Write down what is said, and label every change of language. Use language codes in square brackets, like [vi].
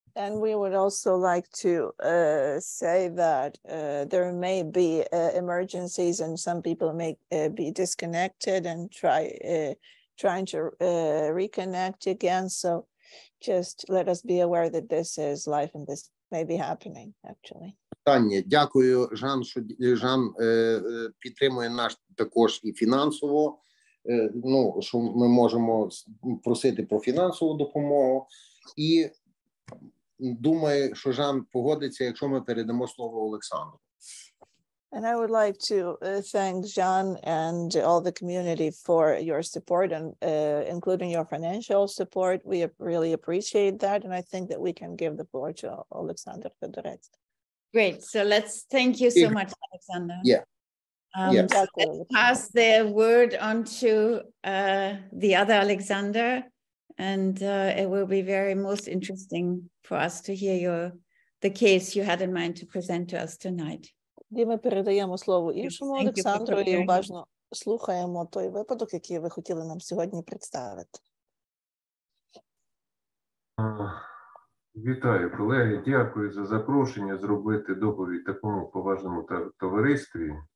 [en] And we would also like to say that there may be emergencies and some people may be disconnected and trying to reconnect again. So just let us be aware that this is life and this may be happening actually. [uk] Останнє. Дякую, Жан, що Жан підтримує нас також і фінансово. Ну, що ми можемо просити про фінансову допомогу. І думаю, що Жан погодиться, якщо ми передамо слово Олександру. [en] And I would like to thank Jeanne and all the community for your support, and including your financial support. We really appreciate that. And I think that we can give the floor to Олександр Федорець. Great. So let's thank you so much, Alexander. Yeah. Yes. Let's pass the word on to the other Alexander, and it will be very most interesting for us to hear the case you had in mind to present to us tonight. [uk] Ми передаємо слово іншому Олександру і уважно слухаємо той випадок, який ви хотіли нам сьогодні представити. Вітаю, колеги. Дякую за запрошення зробити доповідь такому поважному товаристві.